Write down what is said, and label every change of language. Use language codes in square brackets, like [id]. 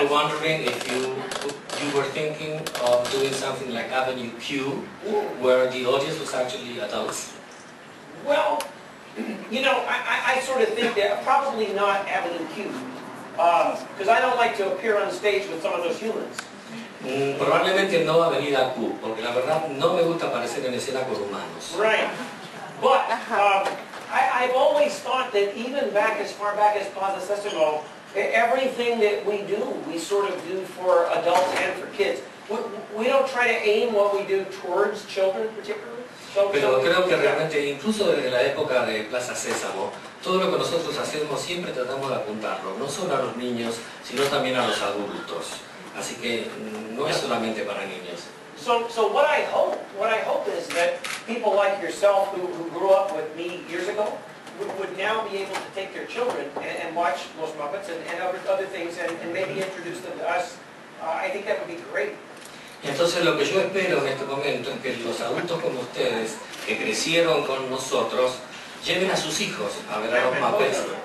[en] We were wondering if you were thinking of doing something like Avenue Q, where the audience was actually adults. Well, you know, I sort of think that probably not Avenue Q, because I don't like to appear on stage with some of those humans. [es] Probablemente no Avenida Q, porque la verdad no me gusta aparecer en escena con humanos. [en] Right, but I've always thought that even back as far back as Plaza Sésamo, everything that we sort of do for adults and for kids. We don't try to aim what we do towards children particularly. [es] Pero creo que realmente, incluso desde la época de Plaza Sésamo, todo lo que nosotros hacemos siempre tratamos de apuntarlo, no solo a los niños, sino también a los adultos. Así que no es solamente para niños. [en] So what I hope is that people like yourself who grew up with me years ago would now be able to take their children and watch Los Muppets and other things and maybe introduce them to us. I think that would be great. [es] Entonces lo que yo espero en este momento es que los adultos como ustedes, que crecieron con nosotros, lleven a sus hijos a ver a Los Muppets.